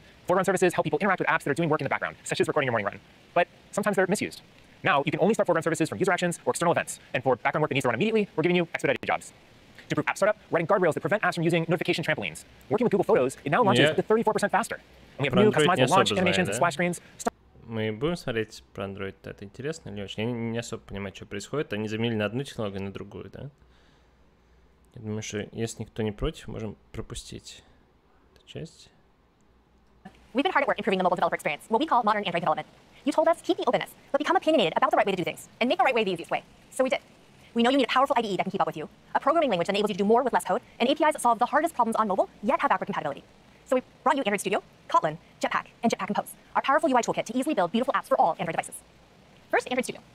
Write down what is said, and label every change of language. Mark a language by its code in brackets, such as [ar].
[en] Foreground services help people interact with apps that are doing work in the background, such as recording your morning run. But sometimes they're misused. Now, you can only start foreground services from user actions or external events. And for background work that needs to run immediately, we're giving you expedited jobs. To improve app startup, we're adding guardrails that prevent apps from using notification trampolines. Working with Google Photos, it now launches to 34% faster. And we have new customizable launch animations and splash screens. [ru] Мы будем смотреть про Android. Это интересно или очень? Я не особо понимаю, что происходит. Они заменили на одну технологию, на другую, да? Я думаю, что если никто не против, можем пропустить эту часть. [en] We've been hard at work improving the mobile developer experience, what we call modern Android development. You told us keep the openness, but become opinionated about the right way to do things, and make the right way the easiest way. So we did. We know you need a powerful IDE that can keep up with you, a programming language that enables you to do more with less code, and APIs that solve the hardest problems on mobile, yet have backward compatibility. So we brought you Android Studio, Kotlin, Jetpack, and Jetpack Compose, our powerful UI toolkit to easily build beautiful apps for all Android devices. First, Android Studio.